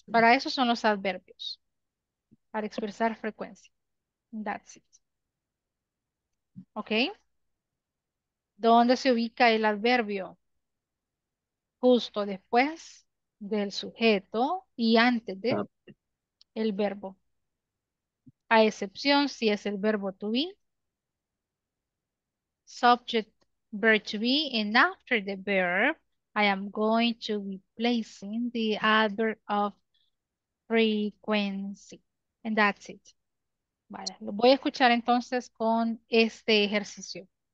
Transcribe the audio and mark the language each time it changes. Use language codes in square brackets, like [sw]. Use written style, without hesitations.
[es] Para eso son los adverbios, para expresar frecuencia. [en] And that's it. Okay. [es] ¿Dónde se ubica el adverbio? Justo después del sujeto y antes de el verbo. A excepción si es el verbo [en] to be, subject verb to be, and after the verb, I am going to be placing the adverb of frequency. And that's it. [es] Vale, lo voy a escuchar entonces con este ejercicio.